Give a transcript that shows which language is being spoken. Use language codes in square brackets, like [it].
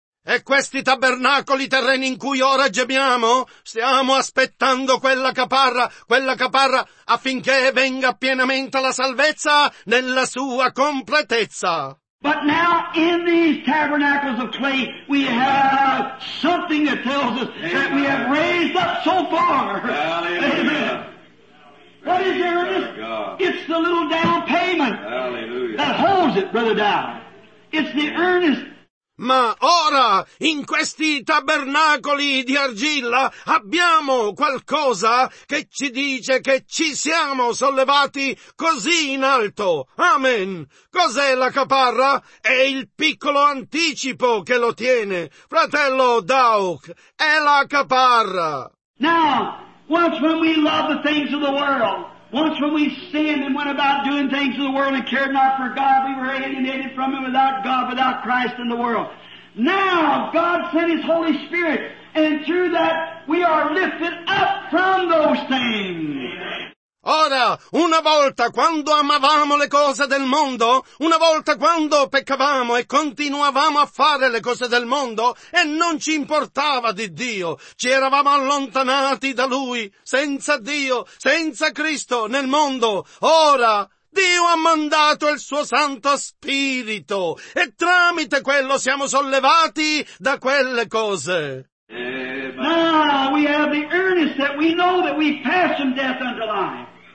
[it] E questi tabernacoli terreni in cui ora gemiamo, stiamo aspettando quella caparra, affinché venga pienamente la salvezza nella sua completezza. [en] But now in these tabernacles of clay, we have something that tells us Amen. That we have raised up so far. Hallelujah. Amen. What is there in this? It's the little down payment Hallelujah. That holds it, Brother Dow. It's the earnest. [it] Ma ora, in questi tabernacoli di argilla, abbiamo qualcosa che ci dice che ci siamo sollevati così in alto. Amen. Cos'è la caparra? È il piccolo anticipo che lo tiene. Fratello Doug, è la caparra. [en] Now, once when we love the things of the world, once when we sinned and went about doing things of the world and cared not for God, we were alienated from Him without God, without Christ in the world. Now, God sent His Holy Spirit, and through that, we are lifted up from those things. Amen. [it] Ora, una volta quando amavamo le cose del mondo, una volta quando peccavamo e continuavamo a fare le cose del mondo, e non ci importava di Dio, ci eravamo allontanati da Lui, senza Dio, senza Cristo nel mondo. Ora, Dio ha mandato il suo Santo Spirito, e tramite quello siamo sollevati da quelle cose. [en] Now we have the earnest that we know that we pass from death unto life.